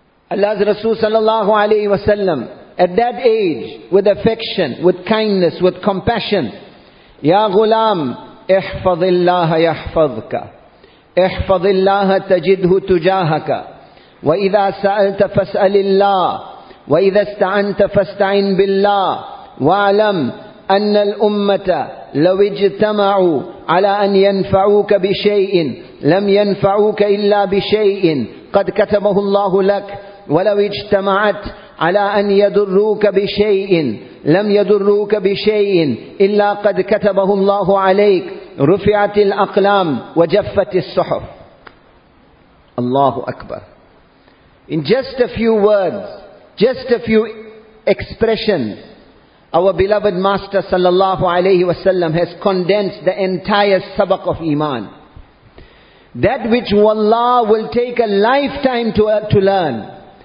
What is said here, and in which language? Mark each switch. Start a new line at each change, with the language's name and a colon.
English: Allah's Rasul sallallahu alayhi wa sallam, at that age, with affection, with kindness, with compassion,
Arabic: Ya ghulam, ihfadillaha yahfadhka. احفظ الله تجده تجاهك وإذا سألت فاسأل الله وإذا استعنت فاستعن بالله واعلم أن الأمة لو اجتمعوا على أن ينفعوك بشيء لم ينفعوك إلا بشيء قد كتبه الله لك ولو اجتمعت على أن يضروك بشيء لم يضروك بشيء إلا قد كتبه الله عليك رفعت الأقلام وجفت الصحف. الله أكبر.
English: In just a few words, just a few expressions, our beloved Master صلى الله عليه وسلم has condensed the entire sabak of iman. That which wallah will take a lifetime to learn.